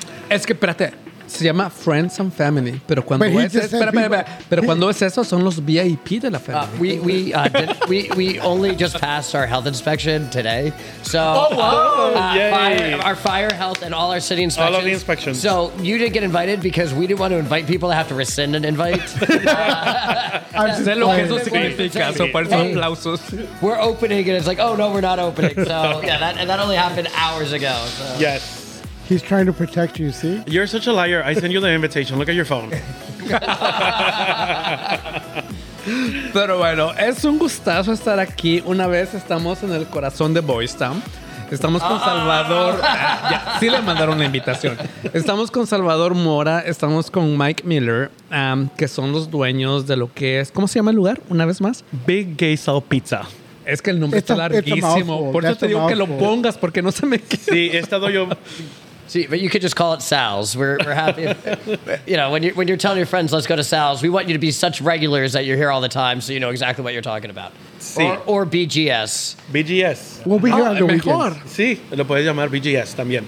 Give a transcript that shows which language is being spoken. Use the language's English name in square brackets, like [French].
[Spanish] Es que, espérate. Se llama Friends and Family, pero cuando es eso, son los VIP de la familia. [English] We only just passed our health inspection today. So, our fire health and all our city inspections. All of the inspections. So you didn't get invited because we didn't want to invite people that have to rescind an invite. [Spanish] sé lo que eso significa, so por eso aplausos. [English] We're opening and it's like, oh no, we're not opening. So yeah, that only happened hours ago. So. Yes. He's trying to protect you, see? You're such a liar. I send you the invitation. Look at your phone. [Spanish] Pero bueno, es un gustazo estar aquí. Una vez estamos en el corazón de Boys Town. Estamos con Salvador. Sí le mandaron la invitación. Estamos con Salvador Mora. Estamos con Mike Miller, que son los dueños de lo que es... ¿Cómo se llama el lugar? Una vez más. [English] Big Gay Soul Pizza. [Spanish] Es que el nombre está larguísimo. Por eso te digo que lo pongas, porque no se me queda. Sí, he estado yo... [English] See, but you could just call it Sal's. We're happy. You know, when you're telling your friends, let's go to Sal's, we want you to be such regulars that you're here all the time so you know exactly what you're talking about. [Spanish] Sí. [English] Or BGS. BGS. We'll be here on the weekends. [Spanish] Sí, lo puedes llamar BGS también.